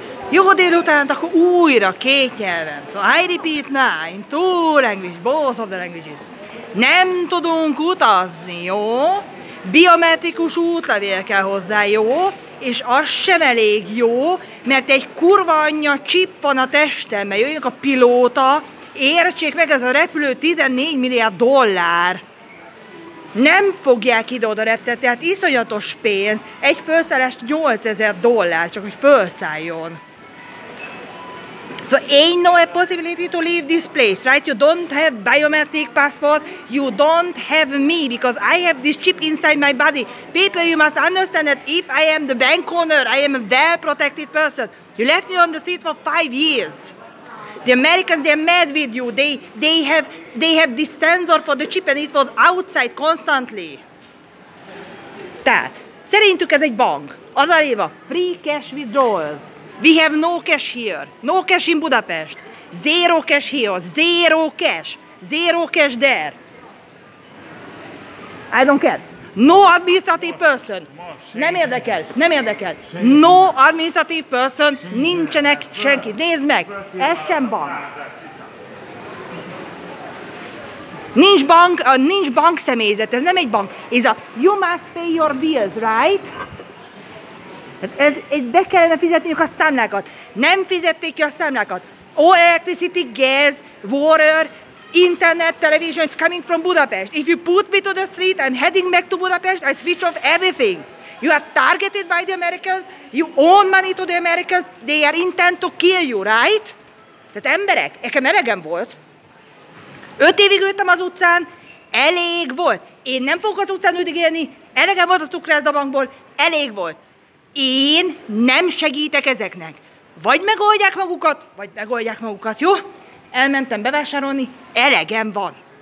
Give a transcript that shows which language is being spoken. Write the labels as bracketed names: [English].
[Hungarian] Jó délután, akkor újra két nyelven. [English] So I repeat now in two languages, both of the languages. [Hungarian] Nem tudunk utazni, jó? Biometrikus útlevél kell hozzá, jó? És az sem elég jó, mert egy kurva anyja csip van a testemben, jöjjön a pilóta, értsék meg, ez a repülő 14 milliárd dollár. Nem fogják ide-oda reptet, tehát iszonyatos pénz, egy felszállás 8000 dollár, csak hogy felszálljon. [English] So, ain't no possibility to leave this place, right? You don't have biometric passport, you don't have me, because I have this chip inside my body. People, you must understand that if I am the bank owner, I am a well-protected person. You left me on the seat for 5 years. The Americans, they're mad with you. They have this sensor for the chip and it was outside constantly. [Hungarian] Tehát, szerintük ez egy bank. Az a réva, [English] free cash withdrawals. We have no cash here. No cash in Budapest. Zero cash here. Zero cash. Zero cash there. I don't care. No administrative person. [Hungarian] Nem érdekel. Nem érdekel. [English] No administrative person. [Hungarian] Nincsenek senki. Nézd meg. Ez sem bank. Nincs bank. Nincs bank személyzet. Ez nem egy bank. Ez a [English] you must pay your bills, right? [Hungarian] Ez be kellene fizetniük a számlákat. Nem fizették ki a számlákat. [English] All electricity, gas, water, internet, television is coming from Budapest. If you put me to the street, I'm heading back to Budapest, I switch off everything. You are targeted by the Americans, you own money to the Americans, they are intent to kill you, right? [Hungarian] Tehát emberek, nekem elegem volt. 5 évig ültem az utcán, elég volt. Én nem fogok az utcán üldögélni, elegem volt a cukrászdabankból, elég volt. Én nem segítek ezeknek. Vagy megoldják magukat, vagy megoldják magukat, jó? Elmentem bevásárolni, elegem van.